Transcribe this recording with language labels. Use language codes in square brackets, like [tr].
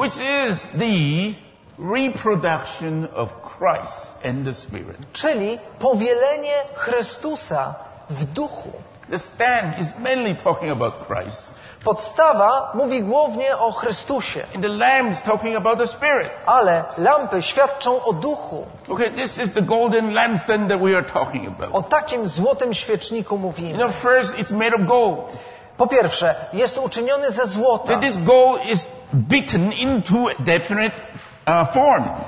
[en] which is the reproduction of Christ and the Spirit. [pl] Czyli powielenie Chrystusa w duchu. [en] The stand is mainly talking about Christ. [pl] Podstawa mówi głównie o Chrystusie. [en] And the lamps talking about the Spirit. [pl] Ale lampy świadczą o duchu. [en] Okay, this is the golden lampstand that we are talking about. [pl] O takim złotym świeczniku mówimy. [en] You know, first it's made of gold. [pl] Po pierwsze, jest uczyniony ze złota. [en] That this gold is beaten into a definite form.